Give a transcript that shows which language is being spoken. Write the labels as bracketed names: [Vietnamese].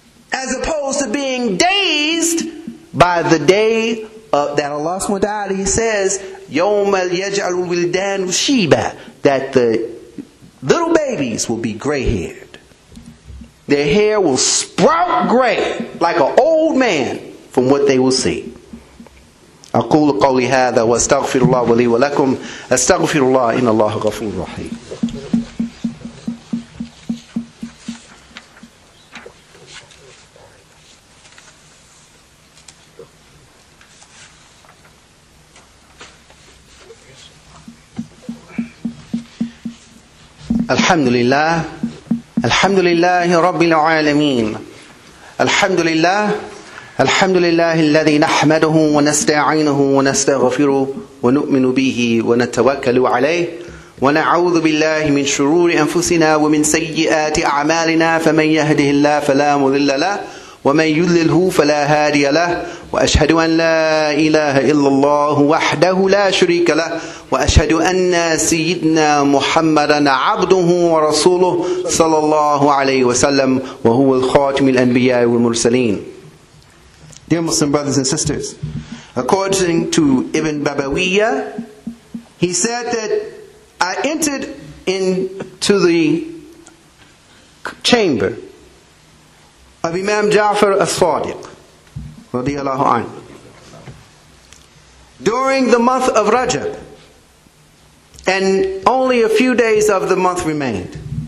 [English] As opposed to being dazed by the day that Allah subhanahu wa ta'ala says, [Arabic] Yawm al yaj'alu wildan shiba, [English] that the little babies will be gray haired. Their hair will sprout gray like an old man from what they will see. [Arabic] أقول قولي هذا واستغفر الله لي ولكم استغفر الله إن الله غفور رحيم. الحمد لله. الحمد لله رب العالمين الحمد لله الحمد لله الذي نحمده ونستعينه ونستغفره ونؤمن به ونتوكل عليه ونعوذ بالله من شرور أنفسنا ومن سيئات أعمالنا فمن يهده الله فلا مضل له ومن يضلله فلا هادي له وأشهد أن لا إله إلا الله وحده لا شريك له وأشهد أن سيدنا محمدا عبده ورسوله صلى الله عليه وسلم وهو الخاتم الأنبياء والمرسلين. [English] Dear Muslim brothers and sisters, according to Ibn Babawiyyah, he said that I entered into the chamber of Imam Ja'far as-Sadiq radiallahu anhu during the month of Rajab, and only a few days of the month remained.